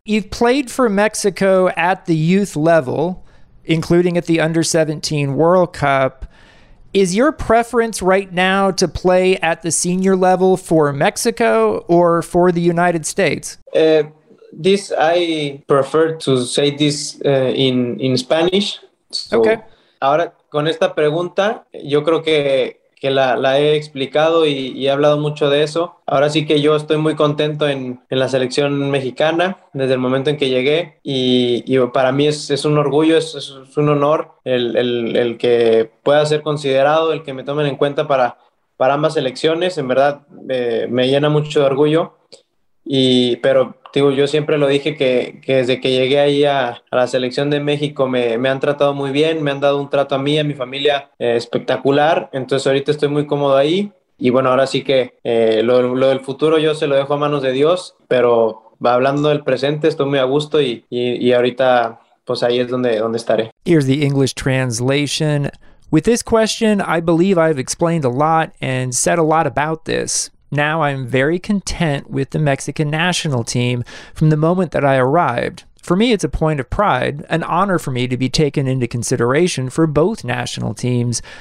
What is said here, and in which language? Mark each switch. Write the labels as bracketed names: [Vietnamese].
[English] You've played for Mexico at the youth level, including at the Under-17 World Cup. Is your preference right now to play at the senior level for Mexico or for the United States? This, I prefer to say this in Spanish. So, okay. [Spanish] Ahora, con esta pregunta, yo creo que que la he explicado y he hablado mucho de eso. Ahora sí que yo estoy muy contento en la selección mexicana desde el momento en que llegué y para mí es un orgullo, es un honor el que pueda ser considerado, el que me tomen en cuenta para ambas selecciones. En verdad me llena mucho de orgullo, pero digo, yo siempre lo dije que desde que llegué ahí a la selección de México me han tratado muy bien, me han dado un trato a mí y a mi familia espectacular, entonces ahorita estoy muy cómodo ahí y bueno, ahora sí que lo del futuro yo se lo dejo a manos de Dios, pero hablando del presente estoy muy a gusto y ahorita pues ahí es donde estaré. [English] Here's the English translation. With this question, I believe I've explained a lot and said a lot about this. Now I'm very content with the Mexican national team from the moment that I arrived. For me, it's a point of pride, an honor for me to be taken into consideration for both national teams.